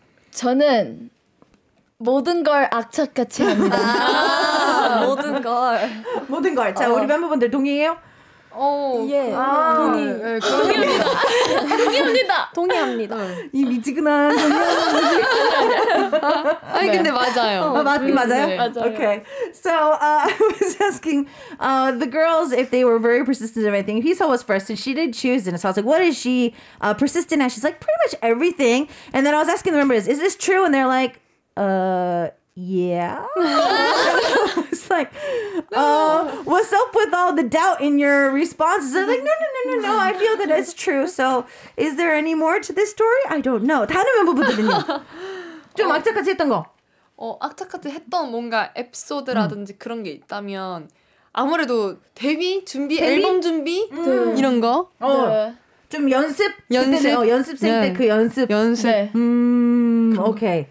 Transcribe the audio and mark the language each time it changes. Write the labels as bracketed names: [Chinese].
[Korean] 저는 모든 걸 악착같이 합니다. 모든 걸. 모든 걸. 자, 우리 멤버분들 동의해요? 예. 동의. 동의합니다. 동의합니다. 동의합니다. 이 미지근한 동의하는 거지. 아니, 근데 맞아요. 맞긴 맞아요? 네, 맞아요. [English] Okay. So, I was asking the girls if they were very persistent of anything. Hisa was first, and she did choose. And so I was like, what is she persistent at? She's like, pretty much everything. And then I was asking the members, is this true? And they're like, yeah. It's like, what's up with all the doubt in your responses? I'm like, no, I feel that it's true. So, is there any more to this story? I don't know. [Korean] 다른 멤버분들은요? 좀 악착같이 했던 거? 악착같이 했던 뭔가 에피소드라든지 그런 게 있다면 아무래도 데뷔 준비, 앨범 준비 이런 거? 좀 연습? 연습생 때 그 연습? 연습. 오케이.